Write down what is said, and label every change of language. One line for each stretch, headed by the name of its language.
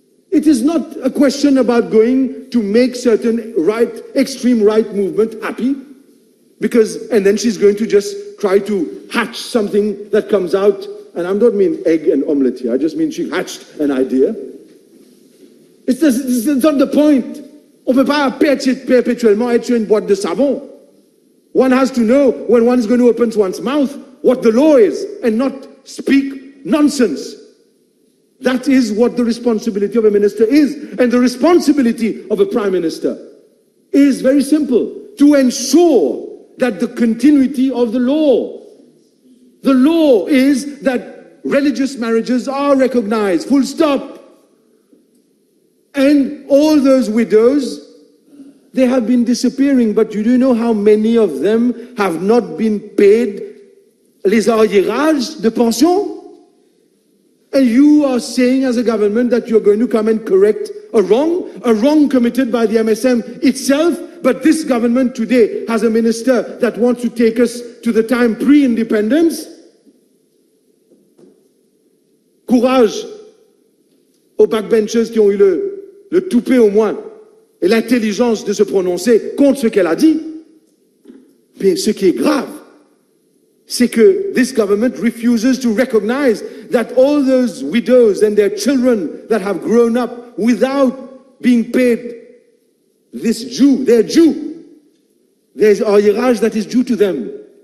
English: It is not a question about going to make certain right, extreme right movement happy, because, and then she's going to just try to hatch something that comes out. And I don't mean egg and omelette here. I just mean she hatched an idea. It's not the point.
French: On ne peut pas perpétuellement être une boîte de savon.
English: One has to know when one is going to open one's mouth what the law is and not speak nonsense. That is what the responsibility of a minister is. And the responsibility of a prime minister is very simple: to ensure that the continuity of the law. The law is that religious marriages are recognized, full stop. And all those widows, they have been disappearing, but you do know how many of them have not been paid
French: les arriérages de pension?
English: And you are saying as a government that you're going to come and correct a wrong committed by the MSM itself. But this government today has a minister that wants to take us to the time pre-independence.
French: Courage aux backbenchers qui ont eu le toupet au moins et l'intelligence de se prononcer contre ce qu'elle a dit. Mais ce qui est grave, c'est que
English: this government refuses to recognize that all those widows and their children that have grown up without being paid this due, their due, there's a arrière that is due to them.